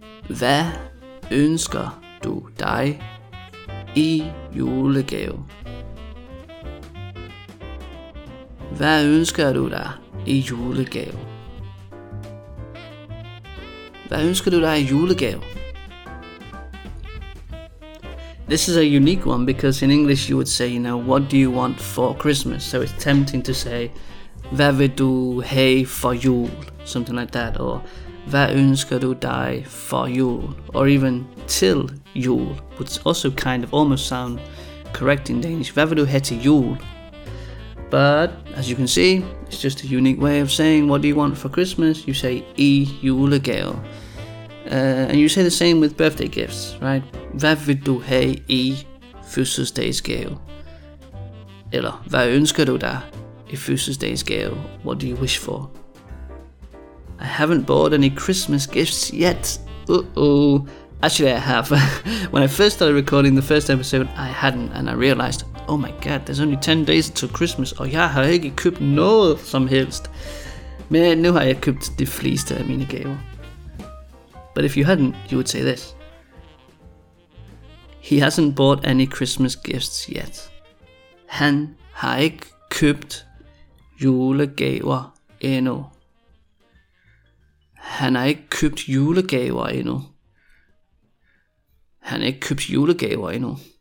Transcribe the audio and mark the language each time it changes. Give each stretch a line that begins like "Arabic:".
Danish: Hvad ønsker du dig i julegave? Hvad ønsker du dig i julegave? Hvad ønsker du dig i julegave?
English: This is a unique one because in English you would say, you know, what do you want for Christmas? So it's tempting to say,
Danish: hvad vil du have for jul?
English: Something like that.
Danish: Or, hvad ønsker du dig for jul?
English: Or even,
Danish: til jul,
English: which also kind of almost sound correct in Danish.
Danish: Hvad vil du have til jul?
English: But, as you can see, it's just a unique way of saying, what do you want for Christmas? You say,
Danish: I julegave.
English: And you say the same with birthday gifts, right?
Danish: Hvad vil du have i fødselsdagsgave? Eller, hvad ønsker du dig i fødselsdagsgave?
English: What do you wish for? I haven't bought any Christmas gifts yet. Uh-oh. Actually, I have. When I first started recording the first episode, I hadn't. And I realized, oh my god, there's only 10 days until Christmas.
Danish: Og jeg har ikke købt noget som helst. Men nu har jeg købt de fleste af mine gaver.
English: But if you hadn't, you would say this. He hasn't bought any Christmas gifts yet.
Danish: Han har ikke købt julegaver endnu. Han har ikke købt julegaver endnu. Han har ikke købt julegaver endnu.